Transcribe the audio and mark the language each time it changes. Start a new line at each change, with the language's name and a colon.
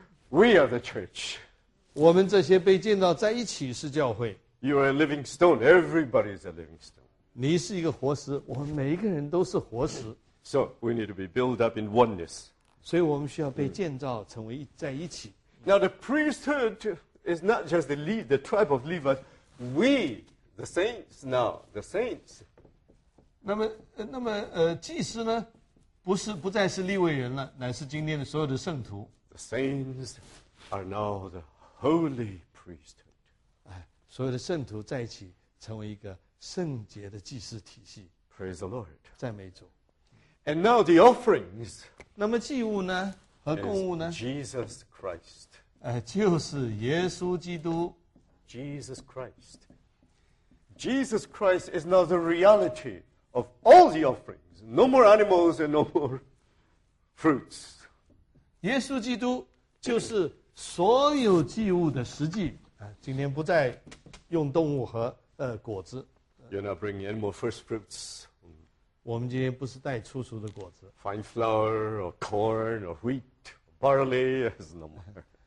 English: We are the church.
Chinese: 我们这些被建造在一起是教会。
English: You are a living stone. Everybody is a living stone.
Chinese: 你是一个活石，我们每一个人都是活石。
English: So we need to be built up in oneness.
Chinese: 所以我们需要被建造成为在一起。
English: Now the priesthood is not just the tribe of Levites. We. The saints now, the saints.
Chinese: 那么祭司呢？不再是利未人了，乃是今天的所有的圣徒。
English: The saints are now the holy priesthood.
Chinese: 所有的圣徒在一起成为一个圣洁的祭司体系。
English: Praise the Lord.
Chinese: 赞美主。
English: And now the offerings.
Chinese: 那么祭物呢？和供物呢
English: ？Jesus Christ.
Chinese: 就是耶稣基督。
English: Jesus Christ. Jesus Christ is now the reality of all the offerings. No more animals and no more fruits.
Chinese: 耶稣基督就是所有祭物的实际。今天不再用动物和果子。
English: You're not bringing any more first fruits.
Chinese: 我们今天不是带初熟的果子。
English: Fine flour or corn or wheat, barley is no more.